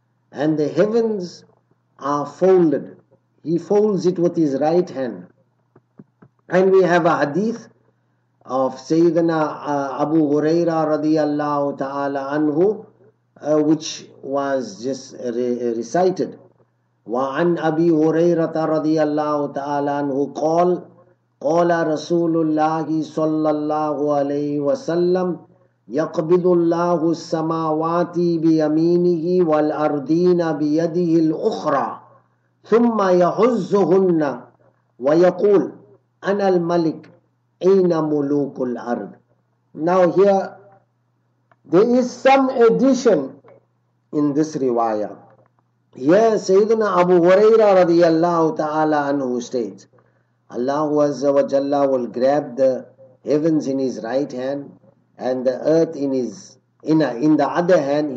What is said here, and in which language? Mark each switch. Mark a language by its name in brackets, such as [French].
[English] And the heavens are folded. He folds it with his right hand. And we have a hadith of Sayyidina Abu Huraira radiallahu ta'ala anhu, which was just recited. [Arabic] وعن أبي هريرة رضي الله تعالى عنه قال قال رسول الله صلى الله عليه وسلم يقبض الله السماوات بيمينه والأرضين بيده الأخرى ثم يهزهن ويقول أنا الملك أين ملوك الأرض. [English] Now here there is some addition in this riwayah. Yes, Sayyidina Abu Huraira radiyallahu ta'ala anhu states, Allah Azza wa Jalla will grab the heavens in his right hand and the earth in his in the other hand.